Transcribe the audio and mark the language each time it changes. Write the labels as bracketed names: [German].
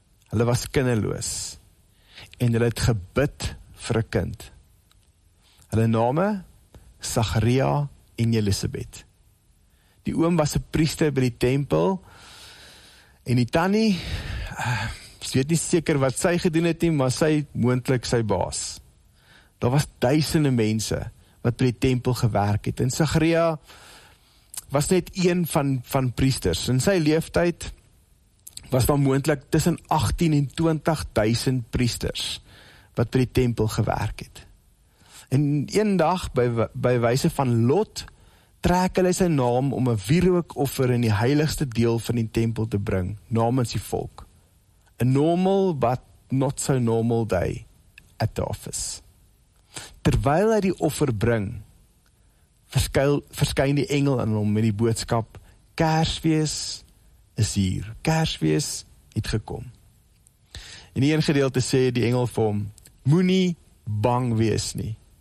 [Afrikaans] Hulle was kinderloos en hulle het gebid vir 'n kind. Hulle name, Sagaria en Elisabeth. Die oom was 'n priester by die tempel en die tannie, sy weet nie seker wat sy gedoen het nie, maar sy moontlik sy baas. Daar was duisende mense wat by die tempel gewerk het en Sagaria was net een van priesters. In sy leeftyd was daar moontlik tussen 18 en 20.000 priesters wat by die tempel gewerk het. En een dag by wyse van lot trek hulle sy naam om 'n wierookoffer in die heiligste deel van die tempel te bring namens die volk. [English] A normal but not so normal day at the office. [Afrikaans] Terwyl hy die offer bring, verskyn die engel aan hom met die boodskap: Kersfees is hier. Kersfees het gekom. In een gedeelte sê die engel vir hom, moenie bang wees nie.